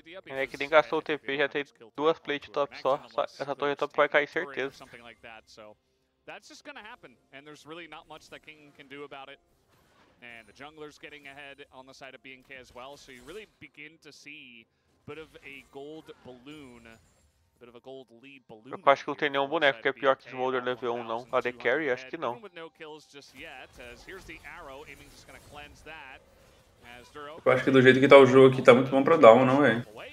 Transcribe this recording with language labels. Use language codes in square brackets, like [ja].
[pt] É que nem gastou o TP, já tem 2 plates top só. Essa torre top vai cair, certeza. [en] That's just gonna happen, and there's really not much that King can do about it. And the jungler's getting ahead on the side of BNK as well, so you really begin to see a bit of a gold balloon, a bit of a gold lead balloon. [pt] Eu acho que não tem nenhum boneco que é pior que o Smolder level 1, não. AD carry, acho que não. [en] No kills just yet, as here's the arrow, aiming just gonna cleanse that. [pt] Eu acho que do jeito que tá o jogo aqui, tá muito bom pra Dawn, não, velho?